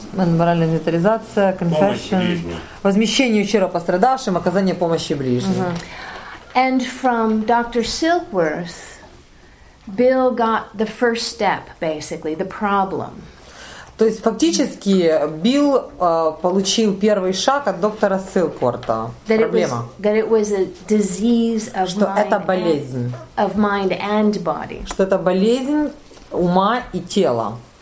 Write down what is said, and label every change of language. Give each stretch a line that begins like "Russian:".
Russian: Моральная инвентаризация, confession, возмещение ущерба пострадавшим, оказание помощи ближним. Uh-huh.
English: And from Dr. Silkworth, Bill got the first step, basically, the problem.
Russian: То есть фактически Билл получил первый шаг от доктора Силкворта. Проблема.
English: That it was a disease of
Russian: что это болезнь.
English: Of mind and body.
Russian: Что это болезнь ума и тела.